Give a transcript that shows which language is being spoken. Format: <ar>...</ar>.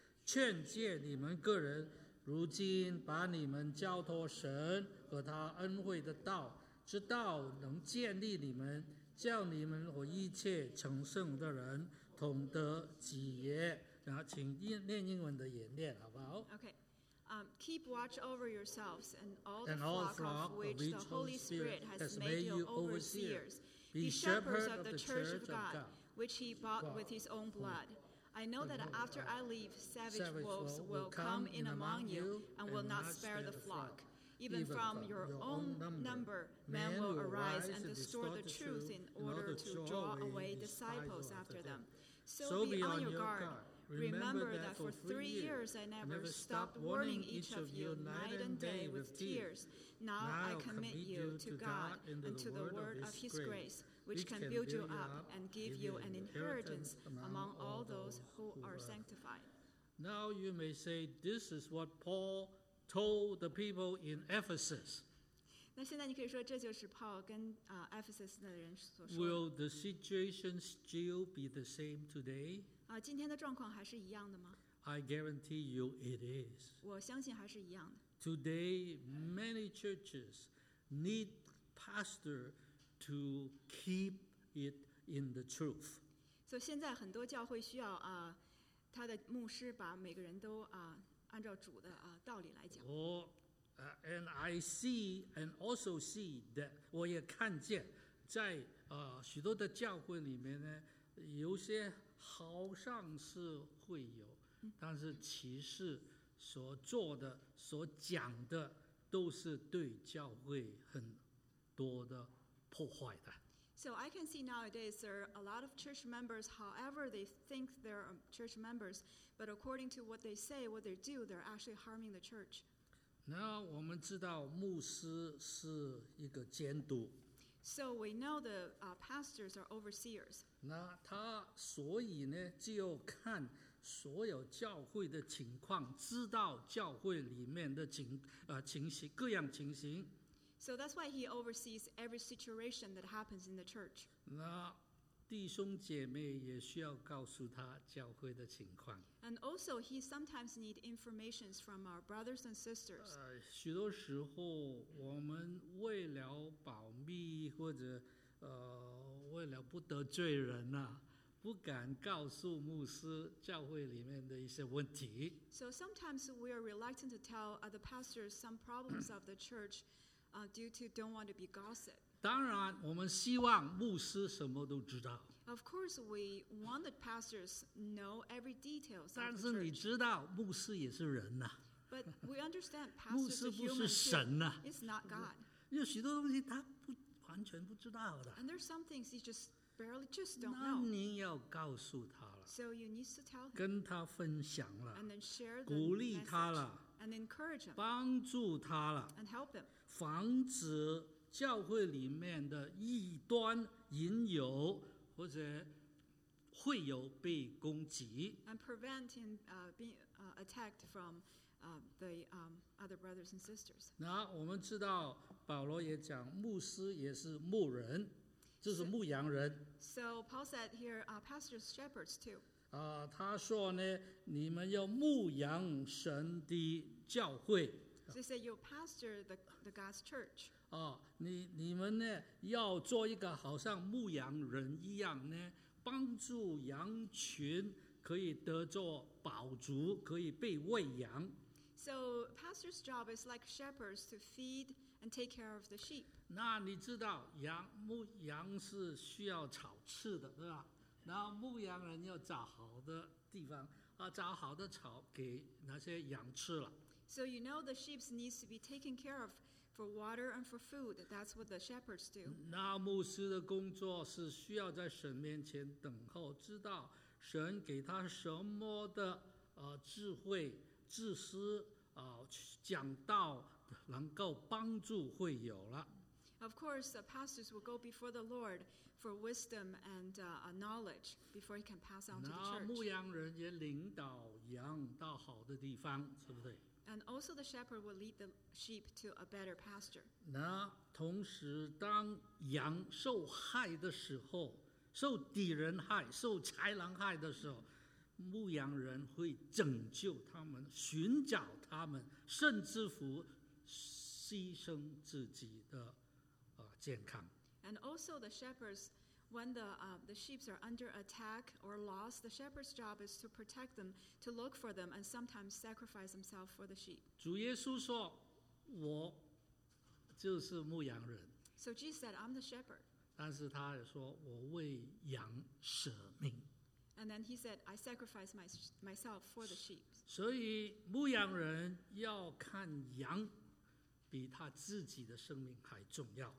<zh>劝诫你们个人，如今把你们交托神和他恩惠的道，直到能建立你们，叫你们和一切成圣的人同得基业。然后请念英文的也念，好不好</zh> <en>？Okay, keep watch over yourselves and all the flock of which the Holy Spirit has made you overseers, be shepherds of the church of God, which He bought with His own blood. I know that after I leave, savage wolves will come in among you and will not spare the flock. Even from your own number, men will arise and distort the truth in order to draw away disciples after them. So be on your guard. Remember that for 3 years I never stopped warning each of you night and day with tears. Now I commit you to God and to the word of His grace. Which can build you up and give you an inheritance among all those who are sanctified. Now you may say, this is what Paul told the people in Ephesus.</en> <zh>那现在你可以说，这就是 Paul 跟 Ephesus 的人所说。</zh> <en>Will the situation still be the same today?</en> <zh>今天的状况还是一样的吗？</zh> <en>I guarantee you it is.</en> <zh>我相信还是一样的。</zh> <en>Today, many churches need pastor. To keep it in the truth. So</en> <zh>现在很多教会需要他的牧师把每个人都按照主的道理来讲。</zh> <en>And I see and also see that</en> <zh>我也看见在许多的教会里面呢，有些好像是会有，但是其实所做的所讲的都是对教会很多的破坏的。</zh> <en>So I can see nowadays there are a lot of church members, however they think they're church members, but according to what they say, what they do, they're actually harming the church.</en> <zh>那我们知道牧师是一个监督。</zh> <en>So we know the pastors are overseers.</en> <zh>那他所以呢，就看所有教会的情况，知道教会里面的情形，各样情形。</zh> <en>So that's why he oversees every situation that happens in the church.</en> <zh>那弟兄姐妹也需要告诉他教会的情况。</zh> <en>And also, he sometimes needs information from our brothers and sisters.</en> <zh>许多时候，我们为了保密或者为了不得罪人呐、啊。不敢告诉牧师教会里面的一些问题。</zh> <en>So sometimes we are reluctant to tell the pastors some problems of the church, due to don't want to be gossip.</en> <zh>当然，我们希望牧师什么都知道。</zh> <en>Of course, we want the pastors know every details.</en> <zh>但是你知道，牧师也是人呐、啊。</zh> <en>But we understand pastors.</en> <zh>牧师不是神呐、</zh> <en>啊。It's not God.</en> <zh>有许多东西他不完全不知道的。</zh> <en>And there's some things he just barely just don't know.</en> <zh>那您要告诉他了。</zh> <en>So you need to tell him.</en> <zh>跟他分享了。</zh> <en>And then share the message.</en> <zh>鼓励他了。</zh> <en>And encourage him.</en> <zh>帮助他了。</zh> <en>And help him.</en> <zh>防止教会里面的异端引诱或者会有被攻击。</zh> <en>And prevent him being attacked from the other brothers and sisters.</en> <zh>那我们知道保罗也讲牧师也是牧人。这是牧羊人。</zh> <en>So Paul said here, pastors, shepherds too.</en> <zh>他说呢，你们要牧养神的教会。</zh> <en>So he said, you pastor the God's church.</en> <zh>你们呢，要做一个好像牧羊人一样呢，帮助羊群可以得着饱足，可以被喂养。</zh> <en>So pastor's job is like shepherds to feed and take care of the sheep.</en> <zh>那你知道牧羊是需要草吃的，对吧？然后牧羊人要找好的地方啊，找好的草给那些羊吃了。</zh> <en>So you know the sheep needs to be taken care of for water and for food. That's what the shepherds do.</en> <zh>那牧师的工作是需要在神面前等候，知道神给他什么的智慧。自私讲道能够帮助会友了。</zh> <en>Of course, the pastors will go before the Lord for wisdom and knowledge before he can pass on to the church.</en> <zh>牧羊人也领导羊到好的地方，是不是？</zh> <en>And also the shepherd will lead the sheep to a better pasture.</en> <zh>那同时，当羊受害的时候，受敌人害，受豺狼害的时候。牧羊人会拯救他们，寻找他们，甚至乎牺牲自己的健康。</zh> <en>And also the shepherds, when the sheep are under attack or lost, the shepherd's job is to protect them, to look for them, and sometimes sacrifice themselves for the sheep.</en> <zh>主耶稣说：“我就是牧羊人。”</zh> <en>So Jesus said, "I'm the shepherd."</en> <zh>但是他也说：“我为羊舍命。”</zh> <en>And then he said, "I sacrifice myself for the sheep."</en> <zh>所以牧羊人要看羊，比他自己的生命还重要。</zh>